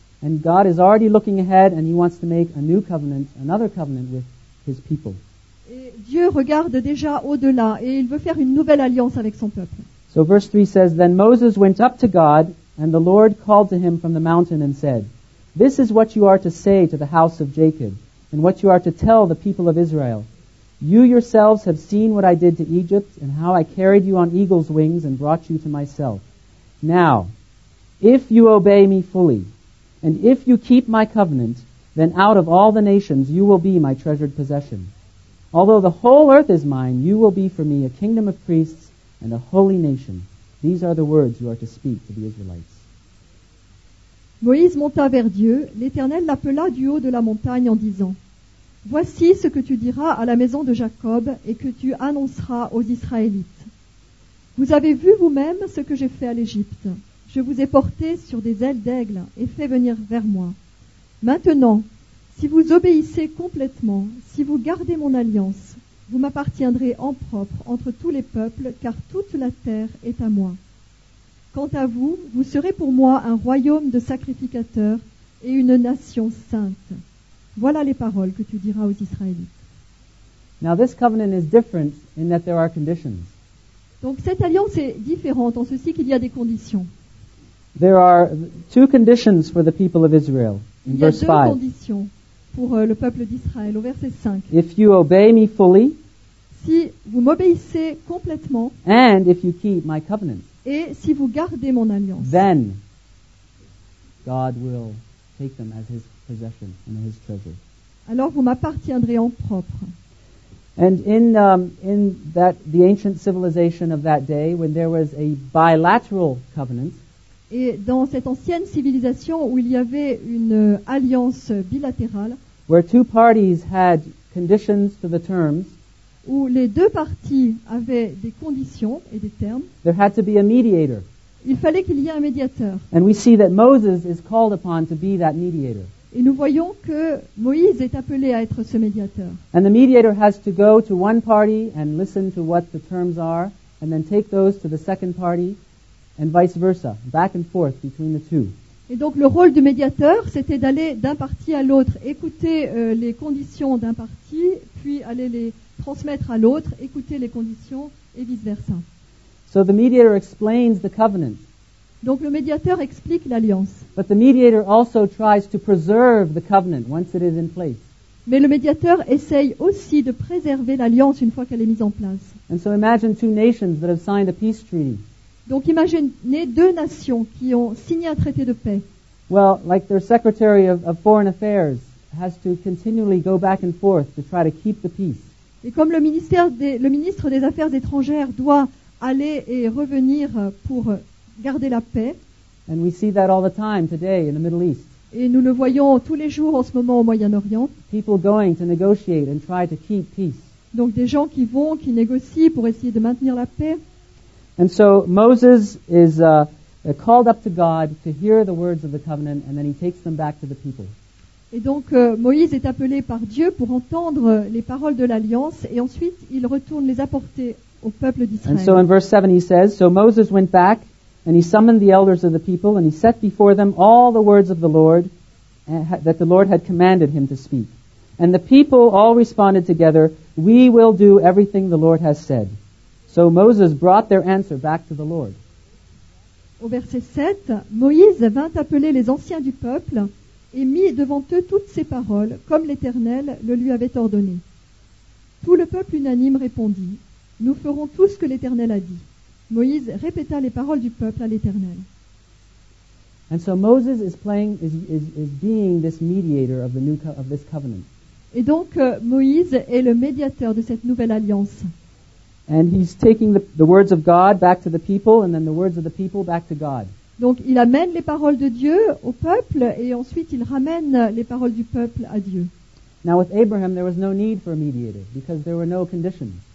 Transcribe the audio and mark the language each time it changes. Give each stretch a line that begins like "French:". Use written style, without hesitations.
English: And God is already looking ahead and he wants to make a new covenant, another covenant with his people.
French: Et Dieu regarde déjà au-delà et il veut faire une nouvelle alliance avec son peuple.
English: So verse 3 says, Then Moses went up to God and the Lord called to him from the mountain and said, This is what you are to say to the house of Jacob and what you are to tell the people of Israel. You yourselves have seen what I did to Egypt and how I carried you on eagle's wings and brought you to myself. Now, if you obey me fully and if you keep my covenant, then out of all the nations you will be my treasured possession. Although the whole earth is mine, you will be for me a kingdom of priests and a holy nation. These are the words you are to speak to the Israelites.
French: Moïse monta vers Dieu, l'Éternel l'appela du haut de la montagne en disant, Voici ce que tu diras à la maison de Jacob et que tu annonceras aux Israélites. Vous avez vu vous-même ce que j'ai fait à l'Égypte. Je vous ai porté sur des ailes d'aigle et fait venir vers moi. Maintenant, si vous obéissez complètement, si vous gardez mon alliance, vous m'appartiendrez en propre entre tous les peuples, car toute la terre est à moi. Quant à vous, vous serez pour moi un royaume de sacrificateurs et une nation sainte. Voilà les paroles que tu diras aux Israélites.
English: Now this covenant is different in that there are conditions.
French: Donc cette alliance est différente en ceci qu'il y a des conditions.
English: There are two conditions for the people of Israel in verse 5.
French: Il y a deux conditions pour le peuple d'Israël au verset 5.
English: If you obey me fully,
French: si vous m'obéissez complètement,
English: and if you keep my covenant,
French: et si vous gardez mon alliance,
English: then God will take them as his possession and his treasure.
French: Alors vous m'appartiendrez en propre.
English: And in that the ancient civilization of that day when there was a bilateral covenant.
French: Et dans cette ancienne civilisation où il y avait une alliance bilatérale.
English: Where two parties had conditions to the terms.
French: Où les deux parties avaient des conditions et des termes.
English: There had to be a mediator.
French: Il fallait qu'il y ait un médiateur.
English: And we see that Moses is called upon to be that mediator.
French: Et nous voyons que Moïse est appelé à être ce médiateur.
English: And the mediator has to go to one party and listen to what the terms are and then take those to the second party and vice versa, back and forth between the two.
French: Et donc le rôle du médiateur, c'était d'aller d'un parti à l'autre, écouter les conditions d'un parti, puis aller les transmettre à l'autre, écouter les conditions et vice versa.
English: So the mediator explains the covenant.
French: Donc le médiateur explique l'alliance.
English: But the mediator also tries to preserve the covenant once it is in place.
French: Mais le médiateur essaye aussi de préserver l'alliance une fois qu'elle est mise en place.
English: And so imagine two nations that have signed a peace treaty.
French: Donc imaginez deux nations qui ont signé un traité de paix.
English: Well, like their secretary of foreign affairs has to continually go back and forth to try to keep the peace.
French: Et comme le ministre des Affaires étrangères doit aller et revenir pour garder la paix.
English: And we see that all the time today in the Middle East.
French: Et nous le voyons tous les jours en ce moment au Moyen-Orient.
English: People going to negotiate and try to keep peace.
French: Donc des gens qui vont, qui négocient pour essayer de maintenir la paix.
English: And so Moses is called up to God to hear the words of the covenant, and then he takes them back to the people.
French: Et donc Moïse est appelé par Dieu pour entendre les paroles de l'alliance, et ensuite il retourne les apporter au peuple d'Israël.
English: And so in verse 7 he says, so Moses went back. And he summoned the elders of the people, and he set before them all the words of the Lord that the Lord had commanded him to speak. And the people all responded together, "We will do everything the Lord has said." So Moses brought their answer back to the Lord.
French: Au verset 7, Moïse vint appeler les anciens du peuple et mit devant eux toutes ces paroles, comme l'Éternel le lui avait ordonné. Tout le peuple unanime répondit, "Nous ferons tout ce que l'Éternel a dit." Moïse répéta les paroles du peuple à l'Éternel.
English: And so Moses is playing is being this mediator of the new of this covenant.
French: Et donc Moïse est le médiateur de cette nouvelle alliance.
English: And he's taking the words of God back to the people and then the words of the people back to God.
French: Donc il amène les paroles de Dieu au peuple et ensuite il ramène les paroles du peuple à Dieu.
English: Now with Abraham there was no need for a mediator because there were no conditions.